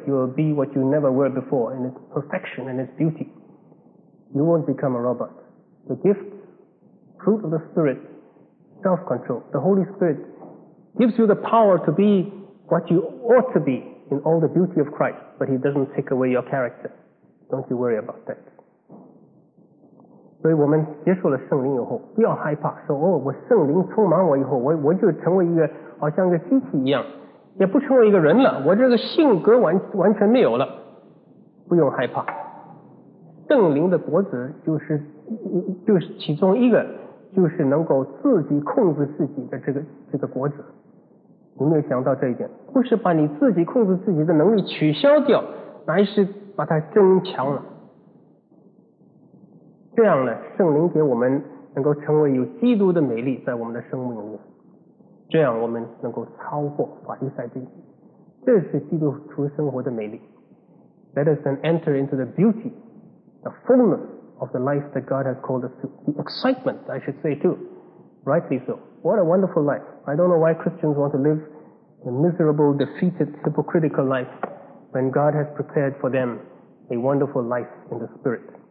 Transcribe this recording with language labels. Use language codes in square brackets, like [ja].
[en] You will be what you never were before, in its perfection and its beauty. You won't become a robot. The gift, fruit of the Spirit, self-control. The Holy Spirit gives you the power to be what you ought to be in all the beauty of Christ, but he doesn't take away your character. Don't you worry about that. [zh] 所以我们接受了圣灵以后，不要害怕说，哦，我圣灵充满我以后，我就成为一个好像一个机器一样，也不成为一个人了，我这个性格完全没有了。不用害怕，圣灵的果子就是其中一个，就是能够自己控制自己的这个果子。有没有想到这一点？不是把你自己控制自己的能力取消掉，而是把它增强了。这样呢，圣灵给我们能够成为有基督的美丽在我们的生命里面，这样我们能够超过法利赛人，这是基督徒生活的美丽。 [en] Let us then enter into the beauty, the fullness of the life that God has called us to, the excitement I should say too, rightly so. What a wonderful life. I don't know why Christians want to live a miserable, defeated, hypocritical life when God has prepared for them a wonderful life in the Spirit.